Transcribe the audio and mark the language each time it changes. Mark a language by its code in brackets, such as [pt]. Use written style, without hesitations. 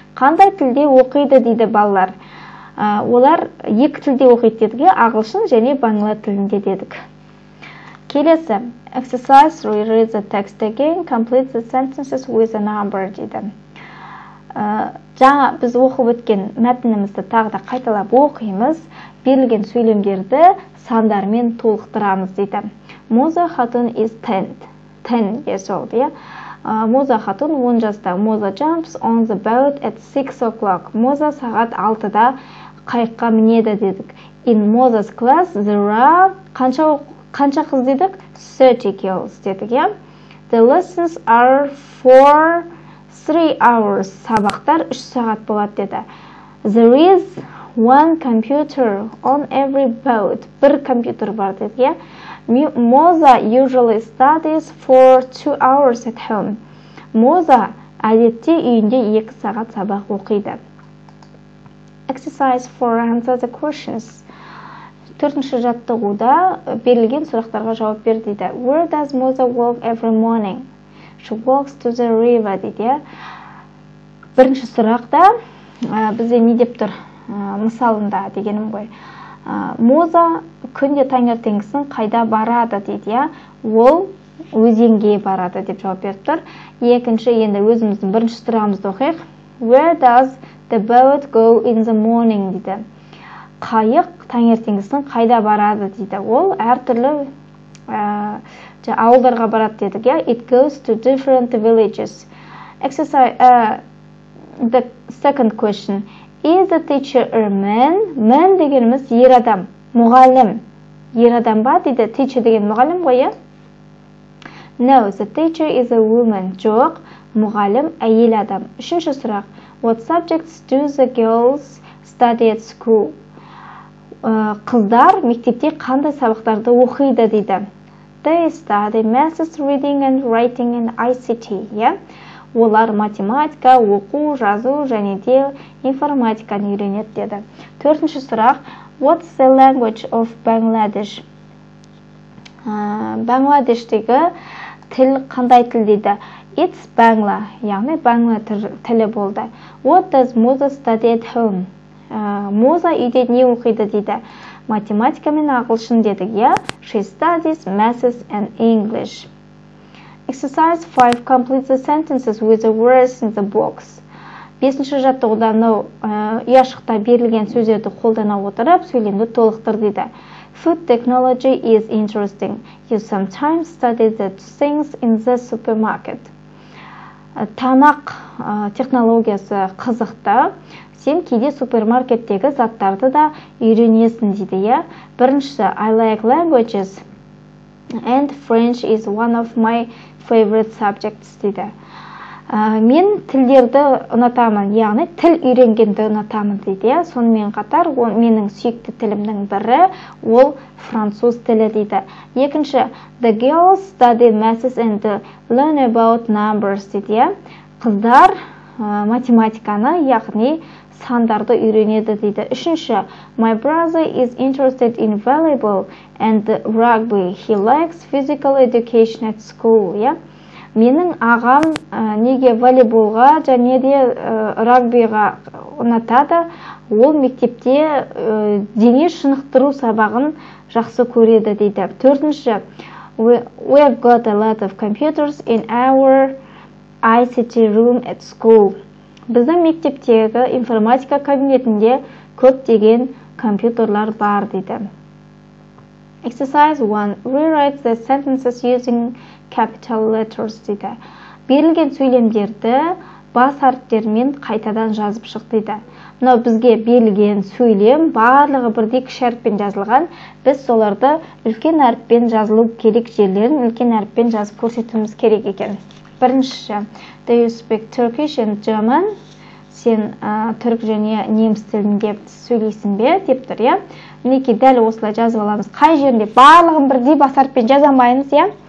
[kk] Қандай тілде оқиды дейді балалар? Олар екі тілде оқиды дедік, ағылшын және бангла тілінде дедік. [en] Келесі, exercise, reread the text again, complete the sentences with a number дейді. [kk] Жаңа біз оқып өткен мәтінімізді тағы да қайталап оқимыз, берілген сөйлемдерді сандармен толықтырамыз дейді. [en] Моза хатын is tent. 10 years old, yeah? [kk] Моза хатын 10 жаста. [en] Моза jumps on the boat at 6 o'clock. [kk] Моза сағат 6-да қайыққа мінеді дедік. [en] In Moza's class, there are... [kk] Қанша қыз дедік? [en] 30 girls дедік, yeah? The lessons are for 3 hours. [kk] Сабақтар 3 сағат болады деді. [en] There is one computer on every boat. [kk] Бір компьютер бар дедік, yeah? [en] Моза usually studies for 2 hours at home. [kk] Моза әдетте үйінде 2 сағат сабақ оқиды. [en] Exercise for answer the questions. [kk] 4-ші жаттығуда берілген сұрақтарға жауап бер дейді. [en] Where does Моза walk every morning? She walks to the river дейді. [kk] Бірінші сұрақта бізде не деп тұр? Мысалында дегенім ғой. Моза күнде таңертеңгісін қайда барады дейді, я? Ол өзенге барады деп жауап беріп тұр. Екінші, енді өзіміздің бірінші сұрағымызды оқиық. [en] Where does the boat go in the morning дейді. [kk] Қайық таңертеңгісін қайда барады дейді. Ол әртүрлі ауылдарға барады дедік, я? [en] It goes to different villages. Exercise the second question. Is the teacher a man? [kk] Man дегеніміз ер адам, мұғалім. Ер адам ба дейді, teacher деген мұғалім ғой, е? [en] No, the teacher is a woman. [kk] Жоқ, мұғалім әйел адам. Үшінші сұрақ. [en] What subjects do the girls study at school? [kk] Қыздар мектепте қандай сабақтарды оқиды дейді. [en] They study maths, reading and writing and ICT, е? Yeah? [kk] Олар математика, оқу, жазу және де информатиканы үйренеді деді. Төртінші сұрақ. [en] What's the language of Bangladesh? [kk] Бангладештегі тіл қандай тіл дейді? [en] It's Bangla, [kk] яғни Bangla тілі болды. [en] What does Moza study at home? [kk] Моза үйде не оқиды дейді? Математика мен ағылшын дедік, иә? [en] Yeah? She studies maths and English. Exercise 5. Complete the sentences with the words in the box. [kk] 5-ші жаттығуда ұяшықта берілген сөздерді қолдана отырып, сөйлемді толықтыр дейді. [en] Food technology is interesting. You sometimes study the things in the supermarket. [kk] Тамақ технологиясы қызықты. Сен кейде супермаркеттегі заттарды да үйренесің дейді. Я? [en] Біріншісі, I like languages. And French is one of my favorite subjects дейді. [kk] Мен тілдерді ұнатамын, яғни тіл үйренгенді ұнатамын дейді. Сонымен қатар, менің сүйікті тілімнің бірі, ол француз тілі дейді. [en] Екінші, the girls study maths and learn about numbers дейді. [kk] Қыздар математиканы, яғни сандарды үйренеді дейді. [en] Үшінші, my brother is interested in volleyball and rugby. He likes physical education at school. Yeah? [kk] Менің ағам неге волейболға және де рагбиға ұнатады? Ол мектепте дене шынықтыру сабағын жақсы көреді дейді. Төртінші, [en] we've got a lot of computers in our university room at school. [kk] Біздің мектептегі информатика кабинетінде көптеген компьютерлар бар дейді. [en] Exercise 1. Rewrite the sentences using capital letters дейді. [kk] Берілген сөйлемдерді бас әріптермен қайтадан жазып шық дейді. Но бізге берілген сөйлем барлығы бірдей кіші әріппен жазылған. Біз соларды үлкен әріппен жазылу керек жерлерін үлкен әріппен жазып көрсетуіміз керек екен. [en] Бірінші, do you speak Turkish and German? [kk] Сен түрік және неміс тілінде сөйлейсің бе? Деп тұр, иә. Мінекей дәл осылай жазып аламыз. Қай жерінде барлығын бірдей бас әріппен жазамаймыз, иә?